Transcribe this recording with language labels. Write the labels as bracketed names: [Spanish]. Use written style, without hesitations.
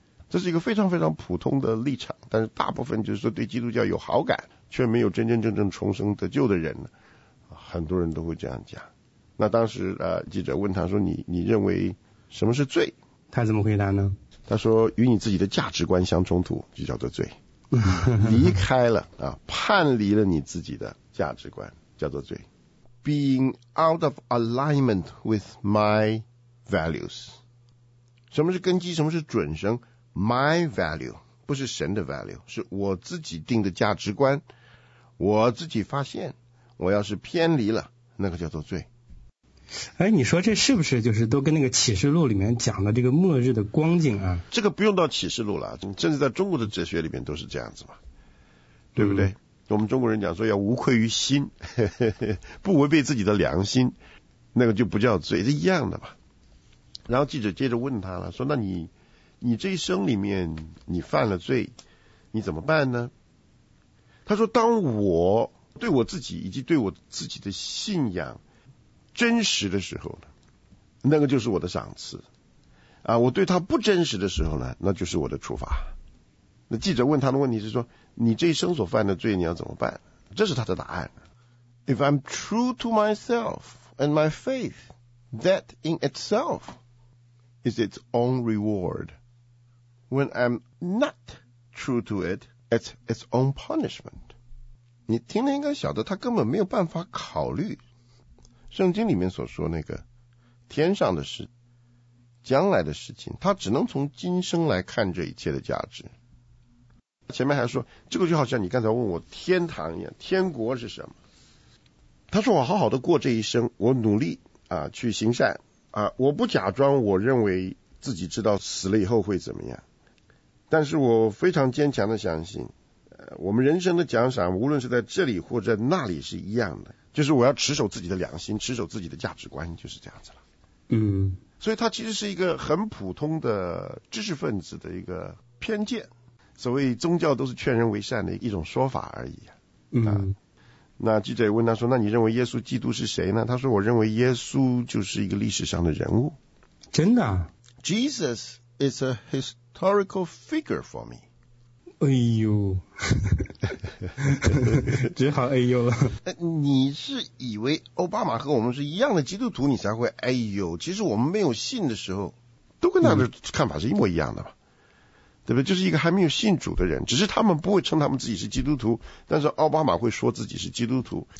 [Chinese] 这是一个非常非常普通的立场，但是大部分就是说对基督教有好感却没有真真正正重生得救的人，很多人都会这样讲。那当时记者问他说，你认为什么是罪？他怎么回答呢？他说，与你自己的价值观相冲突就叫做罪。离开了叛离了你自己的价值观叫做罪。 [English] Being out of alignment with my values， [Chinese] 什么是根基，什么是准绳？ [English] My value [Chinese] 不是神的 value， 是我自己定的价值观，我自己发现我要是偏离了，那个叫做罪。哎，你说这是不是就是都跟那个启示录里面讲的这个末日的光景啊？这个不用到启示录了，甚至在中国的哲学里面都是这样子嘛，对不对？我们中国人讲说要无愧于心，不违背自己的良心，那个就不叫罪，是一样的吧。然后记者接着问他了，说那你这一生里面你犯了罪你怎么办呢？他说当我对我自己以及对我自己的信仰真实的时候呢，那个就是我的赏赐啊，我对他不真实的时候呢，那就是我的处罚。那记者问他的问题是说，你这一生所犯的罪你要怎么办？这是他的答案。 [English] If I'm true to myself and my faith, that in itself is its own reward. When I'm not true to it, it's its own punishment. [Chinese] 你听了应该晓得他根本没有办法考虑圣经里面所说那个天上的事将来的事情，他只能从今生来看这一切的价值。前面还说这个就好像你刚才问我天堂一样，天国是什么。他说我好好的过这一生，我努力啊去行善啊，我不假装我认为自己知道死了以后会怎么样，但是我非常坚强的相信我们人生的奖赏无论是在这里或者那里是一样的，就是我要持守自己的良心，持守自己的价值观，就是这样子了。嗯，所以他其实是一个很普通的知识分子的一个偏见，所谓宗教都是劝人为善的一种说法而已。嗯，那记者也问他说那你认为耶稣基督是谁呢？他说我认为耶稣就是一个历史上的人物。真的？ [English] Jesus is a historical figure for me. [Chinese] 哎呦只好哎呦了。你是以为奥巴马和我们是一样的基督徒你才会哎呦，其实我们没有信的时候都跟他的看法是一模一样的吧。对不对？就是一个还没有信主的人，只是他们不会称他们自己是基督徒，但是奥巴马会说自己是基督徒。